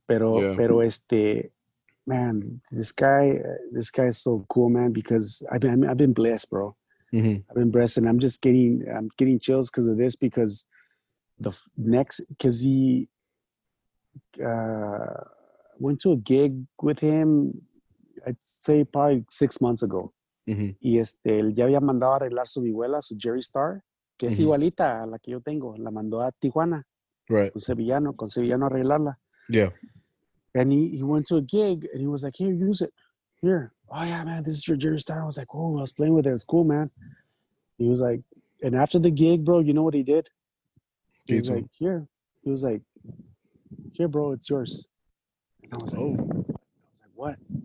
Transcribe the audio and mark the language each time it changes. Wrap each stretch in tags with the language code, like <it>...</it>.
<es>Pero este,</es> <en>man, this guy is so cool, man. Because I've been blessed, bro. Mm-hmm. I've been blessed, and I'm getting chills because of this. Because the next, because he went to a gig with him. I'd say probably 6 months ago. Mm-hmm.</en> <es>Y este, él ya había mandado a arreglar su vihuela, su Jerry Star, que es igualita a la que yo tengo. La mandó a Tijuana.</es> <en>Right.</en> <es>Con Sevillano a arreglarla.</es> <en>Yeah. And he went to a gig and he was like, "Here, use it. Here. Oh yeah, man, this is your Jerry Star." I was like, "Oh, I was playing with it. It's cool, man." He was like, and after the gig, bro, you know what he did? He was like, here, bro, it's yours. And I was like, "Oh." What?</en>